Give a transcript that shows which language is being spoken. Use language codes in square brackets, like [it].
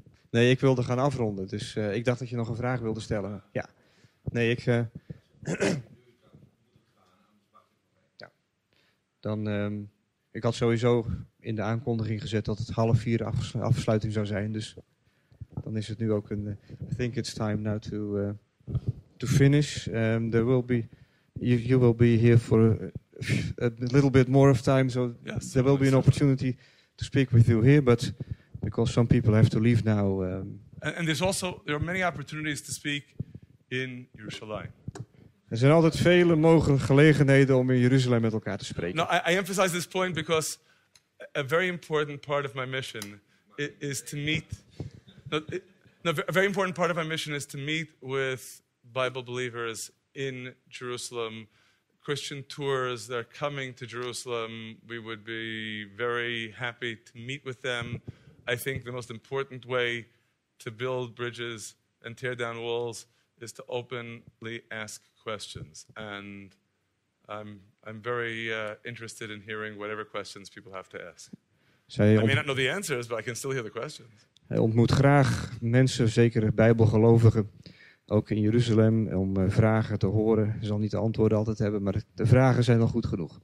[nl] Nee, ik wilde gaan afronden, dus ik dacht dat je nog een vraag wilde stellen. Ja, nee, ik. Ja. Dan, ik had sowieso in de aankondiging gezet dat het 3:30 afsluiting zou zijn, dus dan is het nu ook een. [en] I think it's time now to. To finish, there will be, you will be here for a little bit more of time, so yes, there will be an opportunity to speak with you here, but because some people have to leave now. And there's also, there are many opportunities to speak in Jerusalem. [nl] Er zijn altijd vele mogelijke gelegenheden om in Jeruzalem met elkaar te spreken. [en] Now, I emphasize this point because a very important part of my mission is to meet, a very important part of my mission is to meet with Bible believers in Jerusalem, Christian tours, they're coming to Jerusalem. We would be very happy to meet with them. I think the most important way to build bridges and tear down walls is to openly ask questions. And I'm very interested in hearing whatever questions people have to ask. I may not know the answers, but I can still hear the questions. [nl] Hij ontmoet graag mensen, zeker bijbelgelovigen, ook in Jeruzalem, om vragen te horen. Hij zal niet de antwoorden altijd hebben, maar de vragen zijn al goed genoeg.